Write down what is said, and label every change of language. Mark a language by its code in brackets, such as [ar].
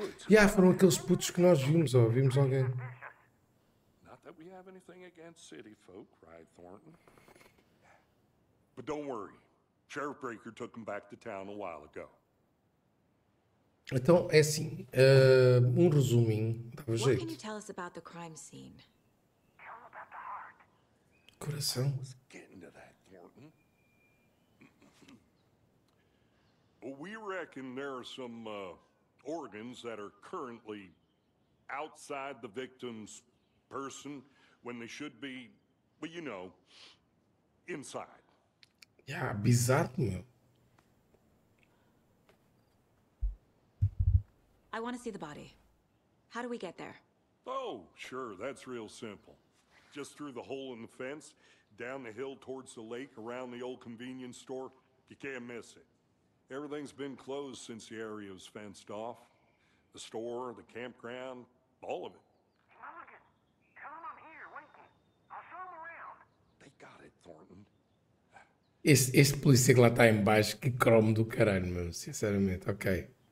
[pt] Ya, foram aqueles putos que nós vimos, ou vimos alguém. [en] Not that we have anything against city folk, cried Thornton. But don't worry. Sheriff Breaker took him back to town a while ago. [pt] Então, é assim, um resuminho, dava jeito. [en] What can you tell us about the crime scene? [pt] Coração. [en] I was getting to that, Thornton. Well, we reckon there are some organs that are currently outside the victim's person when they should be, well, you know, inside. [pt] Yeah, bizarro, meu. [en] I want to see the body. How do we get there? Oh, sure, that's real simple. Just through the hole in the fence, down the hill towards the lake, around the old convenience store. You can't miss it. Everything's been closed since the area was fenced off. The store, the campground, all of it. Mulligan, tell him I'm here, waiting. I'll show him around. They got it, Thornton. [pt] Esse policial lá está em baixo, que cromo do caralho, meu. Sinceramente, ok.